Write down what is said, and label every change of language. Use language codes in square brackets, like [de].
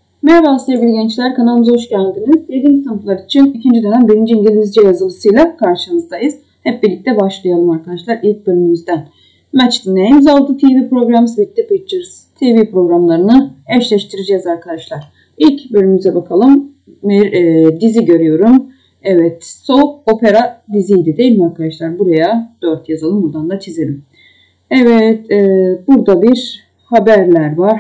[tr] Merhaba sevgili gençler, kanalımıza hoş geldiniz. 7. sınıflar için 2. dönem 1. İngilizce yazılısıyla karşınızdayız. Hep birlikte başlayalım arkadaşlar ilk bölümümüzden. [en] Match the names of the TV programs with the pictures. [tr] TV programlarını eşleştireceğiz arkadaşlar. İlk bölümümüze bakalım. Dizi görüyorum. Evet, soap opera diziydi değil mi arkadaşlar? Buraya 4 yazalım, buradan da çizelim. Evet, burada bir haberler var.